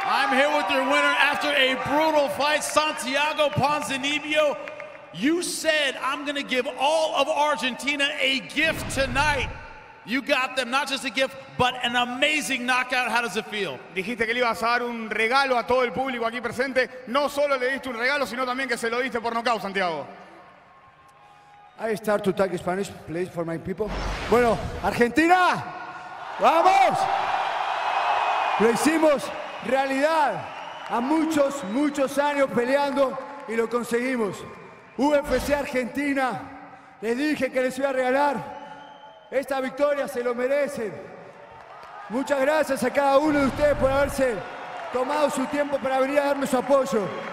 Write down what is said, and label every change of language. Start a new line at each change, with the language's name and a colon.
English: I'm here with your winner after a brutal fight, Santiago Pozzindivio. You said, I'm going to give all of Argentina a gift tonight. You got them, not just a gift, but an amazing knockout. How does it feel?
Spanish: Dijiste que le ibas a dar un regalo a todo el público aquí presente. No solo le diste un regalo, sino también que se lo diste por nocaut, Santiago.
English: I start to talk Spanish, please, for my people.
Spanish: Bueno, Argentina, vamos. Lo hicimos realidad a muchos, muchos años peleando y lo conseguimos. UFC Argentina, les dije que les iba a regalar. Esta victoria se lo merecen. Muchas gracias a cada uno de ustedes por haberse tomado su tiempo para venir a darme su apoyo.